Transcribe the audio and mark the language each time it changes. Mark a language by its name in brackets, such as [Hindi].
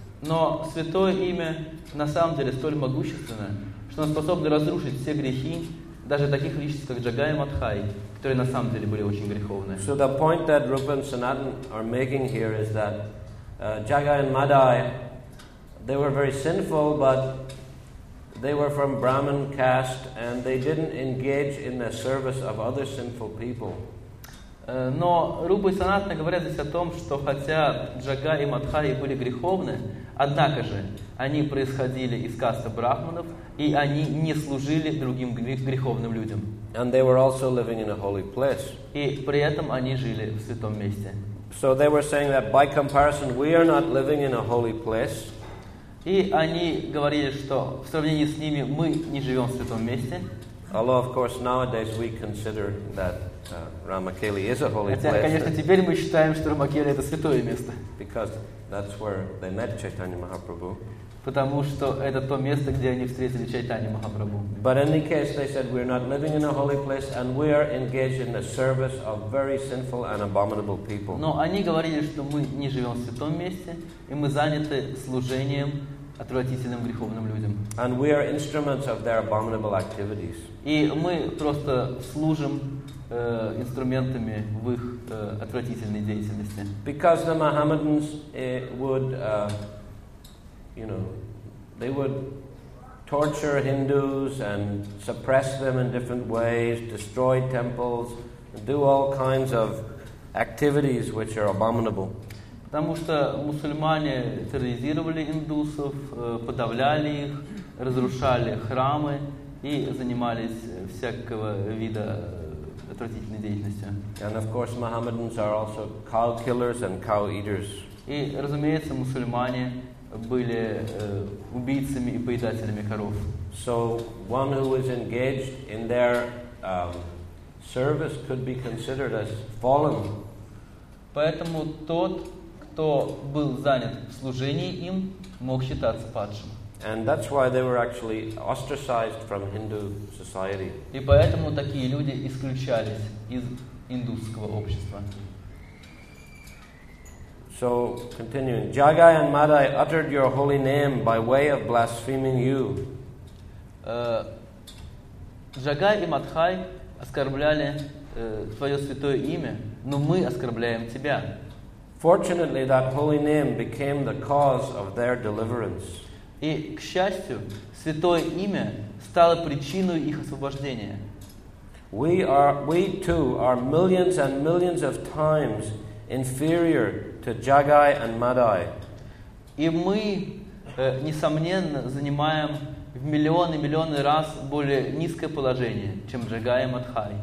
[Russian] Но святое имя на самом деле столь могущественно, что оно способно разрушить все грехи, даже таких личностей, как Джага и Мадхай, которые на самом деле были очень греховные. [English] So the point that Rupa and Sanatan are making here is that Jaga and Madai, they were very sinful, but they were from Brahmin caste, and they didn't engage in the service of other sinful people. [Russian] Но Рупа и Санатана говорят здесь о том, что хотя Джага и Мадхай были греховны, однако же они происходили из касты брахманов, и они не служили другим греховным людям. [English] And they were also living in a holy place. [Russian] И при этом они жили в святом месте. [English] So they were saying that by comparison, we are not living in a holy place. [Russian] И они говорили, что в сравнении с ними мы не живем в святом месте. [English] Although, of course, nowadays we consider that Ramakeli is a holy place. [Russian] Хотя, конечно, теперь мы считаем, что Рамакели это святое место. [English] Because that's where they met Chaitanya Mahaprabhu. [Russian] Потому что это то место, где они встретили Чайтанью Махапрабху. [English] But in any case, they said we're not living in a holy place, and we are engaged in the service of very sinful and abominable people. [Russian] Но они говорили, что мы не живем в святом месте, и мы заняты служением отвратительным греховным людям. [English] And we are instruments of their abominable activities. [Russian] И мы просто служим инструментами в их отвратительной деятельности. [English] Because the Mohammedans would, you know, they would torture Hindus and suppress them in different ways, destroy temples, and do all kinds of activities which are abominable. [Russian] Потому что мусульмане терроризировали индусов, подавляли их, разрушали храмы и занимались всякого вида отвратительной деятельностью. [English] And of course, Mohammedans are also cow killers and cow eaters. [Russian] И, разумеется, мусульмане были убийцами и поедателями коров. [English] So one who is engaged in their service could be considered as fallen. [Russian] Поэтому тот, кто был занят в служении им, мог считаться падшим. [English] And that's why they were actually ostracized from Hindu society. [Russian] И поэтому такие люди исключались из индусского общества. [English] So, continuing, Jagai and Madai uttered your holy name by way of blaspheming you. [Russian] Jagai и Madhai оскорбляли твое святое имя, но мы оскорбляем тебя. [English] Fortunately, that holy name became the cause of their deliverance. [Russian] И, к счастью, святое имя стало причиной их освобождения. [English] We too are millions and millions of times inferior to Jagai and Madai. [Russian] И мы, несомненно, занимаем в миллионы, миллионы раз более низкое положение, чем Джагай и Мадхай.